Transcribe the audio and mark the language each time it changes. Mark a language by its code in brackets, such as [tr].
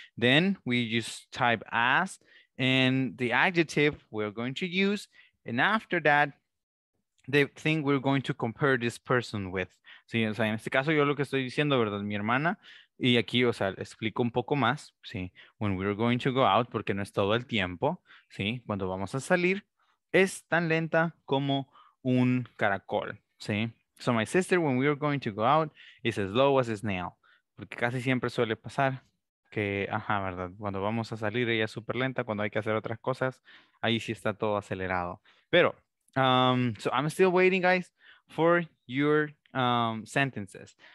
[en] Then, we just type as, and the adjective we're going to use, and after that, the thing we're going to compare this person with. [es] Sí, o sea, en este caso yo lo que estoy diciendo, ¿verdad? Mi hermana. Y aquí, o sea, explico un poco más, ¿sí? [en] When we're going to go out, [es] porque no es todo el tiempo, ¿sí? Cuando vamos a salir, es tan lenta como un caracol, ¿sí? [en] So my sister, when we're going to go out, is as slow as a snail. [es] Porque casi siempre suele pasar que, ajá, ¿verdad? Cuando vamos a salir, ella es súper lenta. Cuando hay que hacer otras cosas, ahí sí está todo acelerado. Pero... [en] So I'm still waiting, guys, for your sentences.